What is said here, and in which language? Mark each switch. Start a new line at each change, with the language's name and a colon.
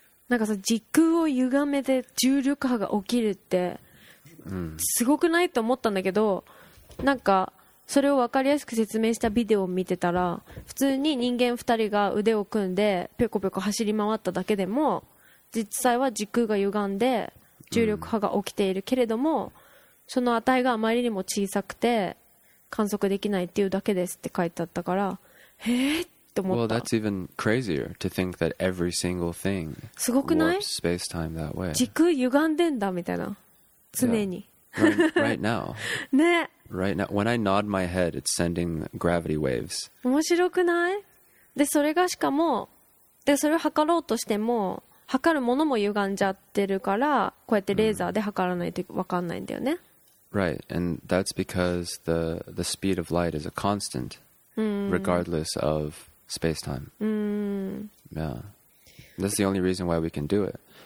Japanese: なんかさ、時空を歪めて重力波が起きるってすごくないと思ったんだけど、なんかそれを分かりやすく説明したビデオを見てたら、普通に人間2人が腕を組んでぴょこぴょこ走り回っただけでも、実際は時空が歪んで重力波が起きているけれども、うん、その値があまりにも小さくて観測できないっていうだけですって書いてあったから、へえって思った。
English: Well, that's even crazier to think that every single thing warps space-time that way.
Japanese: 時空歪んでんだみたいな、常に、
English: yeah. right now.
Japanese: ね。
English: Right now, when I nod my head, it's sending gravity waves.
Japanese: 面白くない？で、それがしかも、で、それを測ろうとしても測るものも歪んじゃってるから、こうやってレーザーで測らないと分かんないんだよね。
English: Right, and that's because the speed of light is a constant regardless of space-time. Yeah. That's the only reason why we can do it.